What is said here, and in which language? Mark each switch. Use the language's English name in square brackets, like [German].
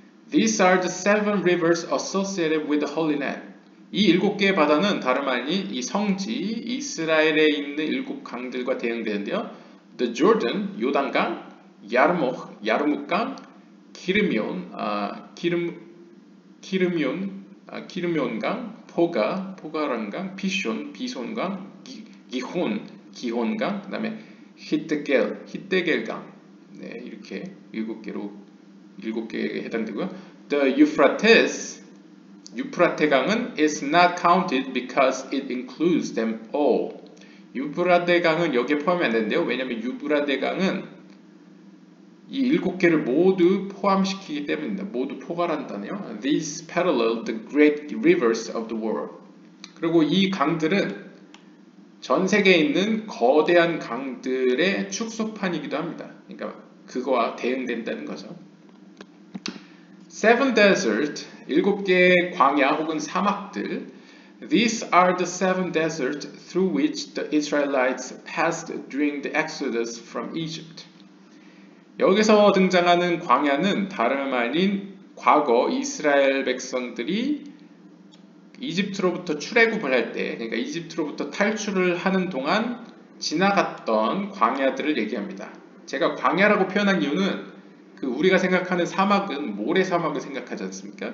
[English] These are the seven rivers associated with the Holy Land. [Korean] 이 일곱 개의 바다는 다름 아닌 이 성지 이스라엘에 있는 일곱 강들과 대응되는데요. The Jordan, 요단강, Yarmouk, 야르묵강, 기르미온강, 포가, 포가란강, 피숀, 비손강, 기혼강, 그다음에 히트겔강. 네, 이렇게 일곱 개에 해당되고요. [English] The Euphrates, 유프라테강은 is not counted because it includes them all. [Korean] 유프라테강은 여기에 포함이 안 되는데요. 왜냐하면 유프라테강은 이 일곱 개를 모두 포함시키기 때문입니다. 모두 포괄한다네요. [English] These parallel the great rivers of the world. [Korean] 그리고 이 강들은 전 세계에 있는 거대한 강들의 축소판이기도 합니다. 그러니까 그거와 대응된다는 거죠. [English] Seven deserts, [Korean] 일곱 개의 광야 혹은 사막들. [English] These are the seven deserts through which the Israelites passed during the Exodus from Egypt. [Korean] 여기서 등장하는 광야는 다름 아닌 과거 이스라엘 백성들이 이집트로부터 출애굽을 할 때, 그러니까 이집트로부터 탈출을 하는 동안 지나갔던 광야들을 얘기합니다. 제가 광야라고 표현한 이유는 그 우리가 생각하는 사막은 모래사막을 생각하지 않습니까?